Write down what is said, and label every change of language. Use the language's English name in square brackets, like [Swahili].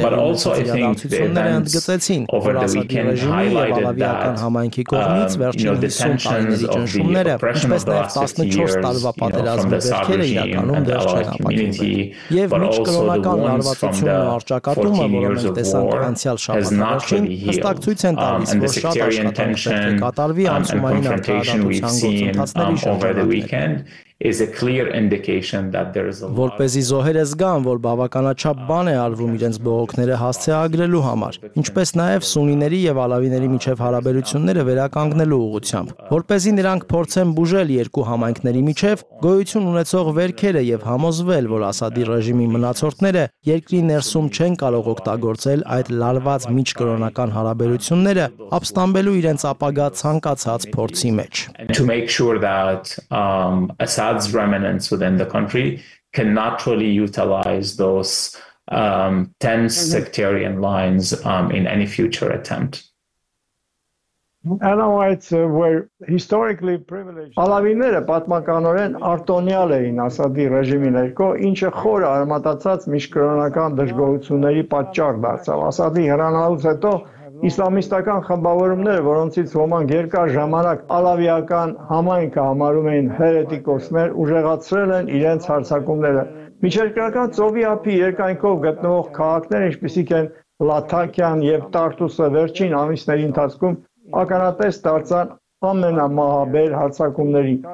[English] But also, I think the events over the weekend highlighted that the tensions of the oppression of the last 50 years, from the Saad regime and the Alawite community, but also the wounds from the 14 years of war, has not been healed. And the sectarian tension and confrontation we've seen over the weekend is a clear indication that there is a lot. [Armenian] Որպեսզի զոհերը զգան, որ բավականաչափ բան է արվում իրենց բողոքները հասցեագրելու համար, ինչպես նաև սունիների եւ ալավիների միջև հարաբերությունները վերականգնելու ուղղությամբ, որպեսզի նրանք փորձեն բուժել երկու համայնքների միջև գոյություն ունեցող վերքերը եւ համոզվել, որ ասադի ռեժիմի մնացորդները երկրի ներսում չեն կարող օգտագործել այդ լարված միջկրոնական հարաբերությունները, ապստամբելու իրենց ապագա ցանկացած փորձի մեջ. [English] Assad's remnants within the country can naturally utilize those tense sectarian lines in any future attempt. Alawites were historically privileged. [Armenian] Ալավիները պատմականորեն արտոնյալ էին Ասադի ռեժիմի ներքո, ինչը խոր արմատացած միջկրոնական դժգոհությունների պատճառ դարձավ։ Ասադի հրանալուց հետո իսլամիստական խմբավորումները, որոնցից ոմանք երկար ժամանակ ալավիական համայնքը համարում էին հերետիկոսներ, ուժեղացրել են իրենց հարձակումները։ Միջերկրական ծովի ափի երկայնքով գտնվող քաղաքներ, ինչպիսիք են Լաթակիան եւ Տարտուսը, վերջին ամիսների ընթացքում ականատես դարձան ամենամահաբեր հարձակումների։